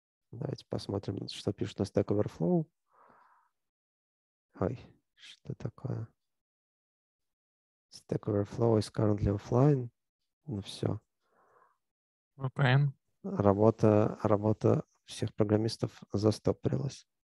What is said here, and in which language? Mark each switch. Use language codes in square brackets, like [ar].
[ru] Давайте посмотрим, что пишут на Stack Overflow. Ой, что такое? [en] Stack Overflow is currently offline. [ru] Ну все. VPN. Работа всех программистов застопорилась.